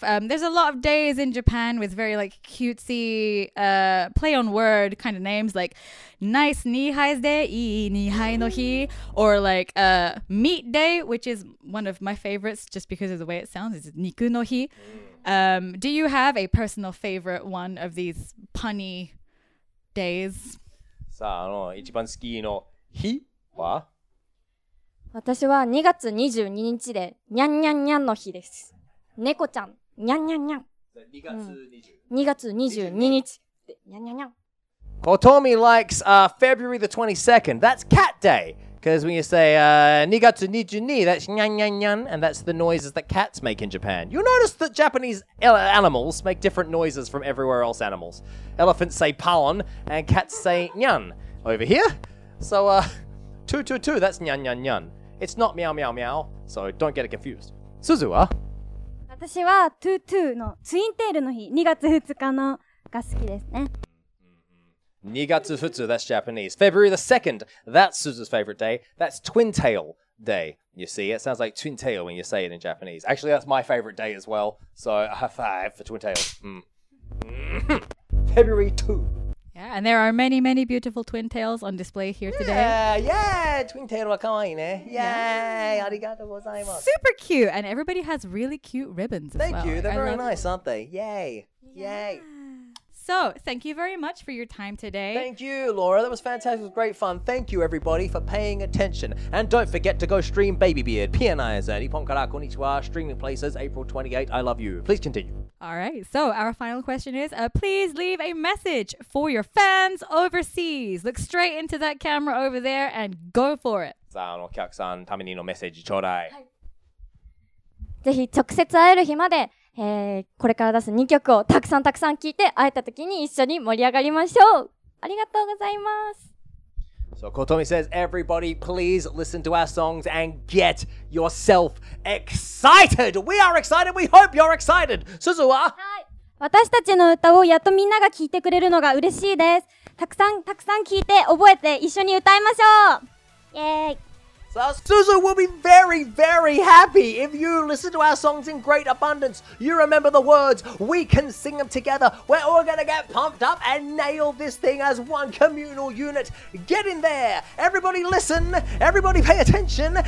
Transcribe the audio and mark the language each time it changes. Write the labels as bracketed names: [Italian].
[English] There's a lot of days in Japan with very like cutesy play on word kind of names, like nice nihai day, [Japanese] ii nihai no hi, [English] or like meat day, which is one of my favorites just because of the way it sounds. [Japanese] It's niku no hi. [English] Do you have a personal favorite one of these punny days? [Japanese] さあ、一番好きの日は私は2月22日で、にゃんにゃんにゃんの日です。猫ちゃん、にゃんにゃんにゃん。 2月22日。 [English] Kotomi likes February the 22nd. That's cat day. Because when you say [Japanese] 2月22日, [English] that's にゃんにゃんにゃん. And that's the noises that cats make in Japan. You'll notice that Japanese animals make different noises from everywhere else animals. Elephants say palon, and cats say nyan. Over here. So, 2-2-2, that's にゃんにゃんにゃん. It's not meow meow meow, so don't get it confused. [Japanese] Suzu は? 私は22のツインテールの日、2月2日のが好きですね。 2月2日, [English] that's Japanese. February the 2nd, that's Suzu's favorite day. That's twin tail day. You see, it sounds like twin tail when you say it in Japanese. Actually, that's my favorite day as well. So a high five for twin tails. February 2. Yeah, and there are many, many beautiful twin tails on display here today. [Japanese] Yeah, twin tail wa kawaii ne. Yay, arigatou gozaimasu. [English] Super cute, and everybody has really cute ribbons as thank well. Thank you, they're I very nice, it. Aren't they? Yay, yeah. Yay. So, thank you very much for your time today. Thank you, Laura. That was fantastic. It was great fun. Thank you, everybody, for paying attention. And don't forget to go stream Baby Beard, PNIZ, Nippon Kara Konnichiwa, streaming places, April 28. I love you. Please continue. All right. So, our final question is, please leave a message for your fans overseas. Look straight into that camera over there and go for it. [Japanese] さあ、お客さん、ためにのメッセージちょうだい。ぜひ直接会える日まで。これから出す2曲をたくさんたくさん聴いて会えた時に一緒に盛り上がりましょう。ありがとうございます。 [English] So Kotomi says, everybody please listen to our songs and get yourself excited! We are excited! We hope you're excited! Suzu は? [Japanese] はい。私たちの歌をやっとみんなが聴いてくれるのが嬉しいです。たくさんたくさん聴いて覚えて一緒に歌いましょう。イエーイ。 [English] Suzu will be very, very happy if you listen to our songs in great abundance. You remember the words, we can sing them together. We're all going to get pumped up and nail this thing as one communal unit. Get in there. Everybody listen. Everybody pay attention.